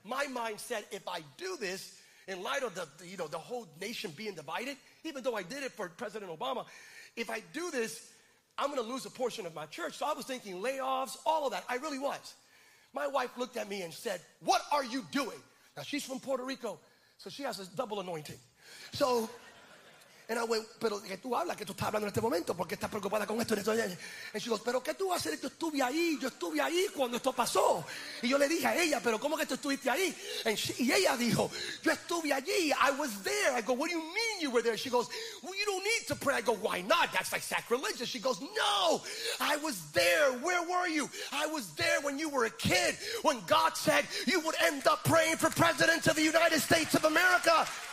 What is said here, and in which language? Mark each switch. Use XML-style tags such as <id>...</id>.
<en>My mind said, if I do this, in light of the whole nation being divided, even though I did it for President Obama, if I do this, I'm going to lose a portion of my church. So I was thinking layoffs, all of that. I really was. My wife looked at me and said, what are you doing? Now, she's from Puerto Rico, so she has a double anointing. So, and I went,</en> <es>pero que tú hablas, que tú estás hablando en este momento, porque estás preocupada con esto.</es> <en>And she goes,</en> <es>pero que tú haces, yo estuve ahí cuando esto pasó. Y yo le dije a ella, pero como que tú estuviste ahí.</es> <en>And she,</en> <es>y ella dijo, yo estuve allí,</es> <en>I was there. I go, what do you mean you were there? She goes, well, you don't need to pray. I go, why not? That's like sacrilegious. She goes, no, I was there. Where were you? I was there when you were a kid, when God said you would end up praying for President of the United States of America.</en>